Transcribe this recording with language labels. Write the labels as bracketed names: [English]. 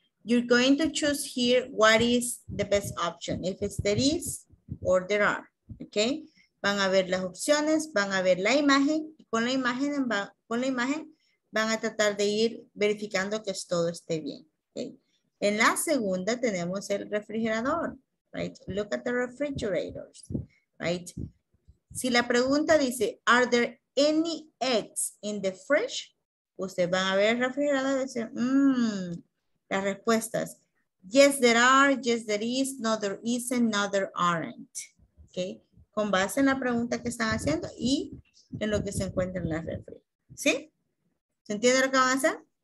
[English] You're going to choose here what is the best option, if it's there is or there are, ¿ok? [Spanish] Van a ver las opciones, van a ver la imagen, y con la imagen van a tratar de ir verificando que todo esté bien. Okay. En la segunda tenemos el refrigerador. Right? [English] Look at the refrigerators. Right? [Spanish] Si la pregunta dice, [English] are there any eggs in the fridge? [Spanish] Ustedes van a ver el refrigerador y dicen, las respuestas. [English] Yes, there are. Yes, there is. No, there isn't. No, there aren't. Okay? [Spanish] Con base en la pregunta que están haciendo y en lo que se encuentra en la refri. ¿Sí? ¿Se entiende lo que van a hacer?